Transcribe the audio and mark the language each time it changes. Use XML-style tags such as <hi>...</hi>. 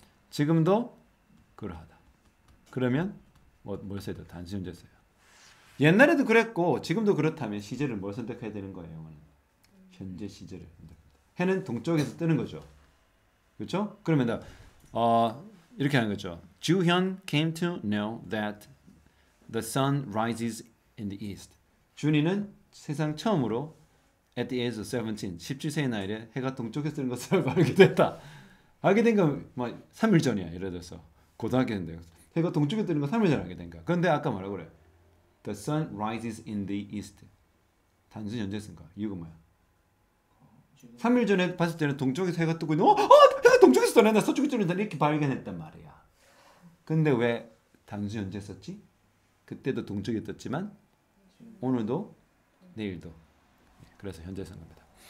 <ko>지금도? 그러하다. 그러면? 뭘 써야 돼? 단순 현재 써요. 옛날에도 그랬고, 지금도 그렇다면 시제를 뭘 선택해야 되는 거예요? 영어는? 현재 시제를 선택해야 돼. 해는 동쪽에서 뜨는 거죠. 그렇죠? 그러면 나, 이렇게 하는 거죠.</ko> <en>주현 came to know that the sun rises in the east.</en> <ko>주니는 세상 처음으로</ko> <en>at the age of 17,</en> <ko>17세의 나이에 해가 동쪽에서 뜨는 것을 알게 됐다. 알게 된건막 3일 전이야. 예를 들어서 고등학교인데 해가 동쪽에 뜨는 거 3일 전 알게 된 거야. 그런데 아까 말하고 그래.</ko> <en>The sun rises in the east.</en> <ko>단순 현재 쓴 거야. 이유가 뭐야? 3일 전에 봤을 때는 동쪽에서 해가 뜨고 있는 내가 서쪽에 뜨는데 이렇게 발견했단 말이야. 근데 왜 단순 현재 썼지? 그때도 동쪽에 떴지만 오늘도 내일도. 그래서 현재 쓴 겁니다.</ko>